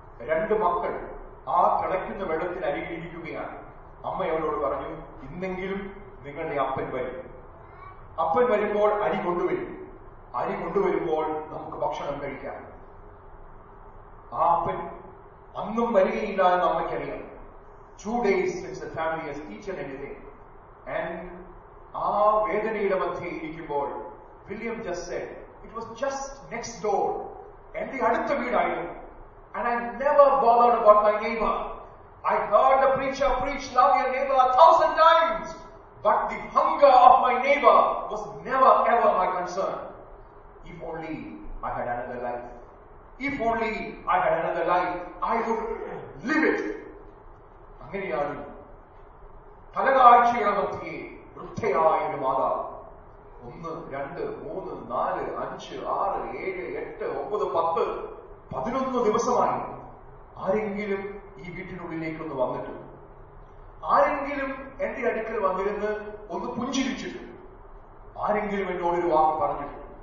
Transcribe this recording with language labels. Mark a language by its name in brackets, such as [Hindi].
[Malayalam] രണ്ട് മക്കൾ ആ തിളയ്ക്കുന്ന വെള്ളത്തിനരികിലിരിക്കുകയാണ്. അമ്മയവരോട് പറഞ്ഞു, ഇന്നെങ്കിലും നിങ്ങളുടെ അപ്പൻ വരും. അപ്പൻ വരുമ്പോൾ അരി കൊണ്ടുവരും. അരി കൊണ്ടുവരുമ്പോൾ നമുക്ക് ഭക്ഷണം കഴിക്കാം. ആ അപ്പൻ അന്നും വരികയില്ല എന്ന് അമ്മയ്ക്കറിയാം. [English] Two days since the family has eaten anything. And [Malayalam] ആ വേദനയുടെ മധ്യയിൽ ഇരിക്കുമ്പോൾ [English] William just said it was just next door [Malayalam] എന്റെ അടുത്ത വീടായിരുന്നു. [English] And I never bothered about my neighbor. I heard the preacher preach love your neighbor 1,000 times. But the hunger of my neighbor was never ever my concern. If only I had another life. If only I had another life, I would live it. [Malayalam] അങ്ങനെയാണ് പലതാഴ്ചയുടെ മധ്യേ വൃദ്ധയായ ഒരു മാതാവ് 1, 2, 3, 4, 5, 6, 7, 8, 9, 10, 11 ദിവസമായി ആരെങ്കിലും ഈ വീട്ടിനുള്ളിലേക്കൊന്ന് വന്നിട്ടു, ആരെങ്കിലും എന്റെ അടുക്കൽ വന്നിരുന്ന് ഒന്ന് പുഞ്ചിരിച്ചിട്ടു, ആരെങ്കിലും എന്നോട് ഒരു വാക്ക് പറഞ്ഞിട്ടുണ്ട്.